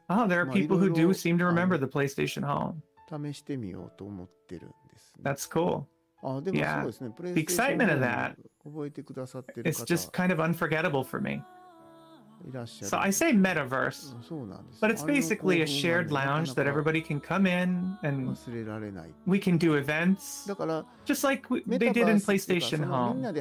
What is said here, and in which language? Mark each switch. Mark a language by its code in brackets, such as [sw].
[en] Oh, there are people who do seem to remember the PlayStation Home. [ja] 試してみようと思ってるんです。 [en] That's cool. Yeah. The excitement of that. [ja] 覚えてくださってる方。 [en] It's just kind of unforgettable for me. So I say metaverse, but it's basically a shared lounge that everybody can come in and we can do events, just like they did in PlayStation Home.